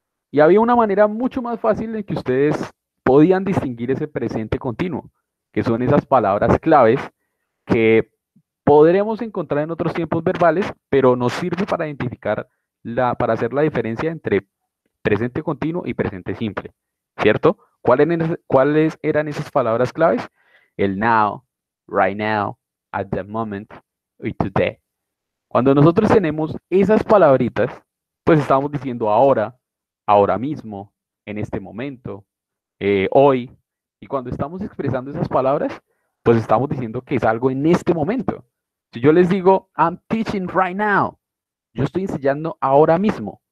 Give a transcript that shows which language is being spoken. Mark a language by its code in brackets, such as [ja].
[es] Y había una manera mucho más fácil en que ustedes podían distinguir ese presente continuo, que son esas palabras claves que podremos encontrar en otros tiempos verbales, pero nos sirve para identificar, para hacer la diferencia entre presente continuo y presente simple, ¿cierto? ¿Cuáles eran esas palabras claves? [en] El now, right now, at the moment, y today. [es] Cuando nosotros tenemos esas palabritas, pues estamos diciendo ahora, ahora mismo, en este momento, hoy. Y cuando estamos expresando esas palabras, pues estamos diciendo que es algo en este momento. Si yo les digo, [en] I'm teaching right now, [es] yo estoy enseñando ahora mismo.